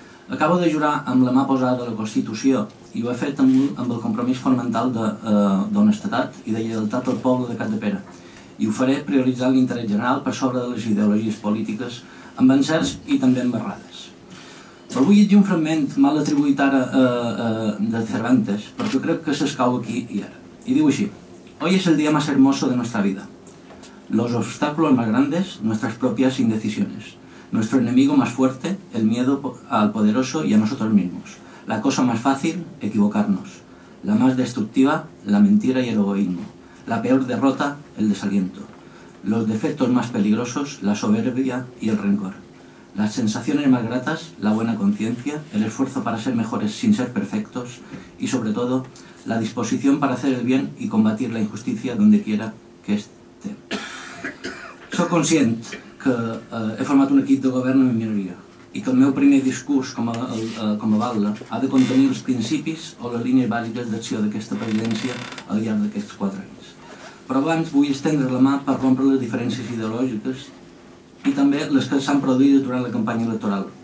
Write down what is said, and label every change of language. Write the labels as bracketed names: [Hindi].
[Catalan] Acabo de jurar amb la mà posada de la Constitució i ho he fet amb el compromís fonamental d'honestedat i de lleialtat al poble de Capdepera. I ho faré prioritzant l'interès general per sobre de les ideologies polítiques amb encerts i també amb errades. Però vull llegir un fragment mal atribuït ara de Cervantes, perquè crec que s'escau aquí i ara. I diu així: [Spanish] hoy es el día más hermoso de nuestra vida. Los obstáculos más grandes, nuestras propias indecisiones. Nuestro enemigo más fuerte, el miedo al poderoso y a nosotros mismos. La cosa más fácil, equivocarnos. La más destructiva, la mentira y el egoísmo. La peor derrota, el desaliento. Los defectos más peligrosos, la soberbia y el rencor. Las sensaciones más gratas, la buena conciencia, el esfuerzo para ser mejores sin ser perfectos y, sobre todo, la disposición para hacer el bien y combatir la injusticia donde quiera que esté. [Catalan] Soc conscient que he format un equip de govern en minoria i que el meu primer discurs com a balda ha de contenir els principis o les línies bàsiques d'acció d'aquesta presidència al llarg d'aquests 4 anys. Però abans vull estendre la mà per rompre les diferències ideològiques i també les que s'han produït durant la campanya electoral.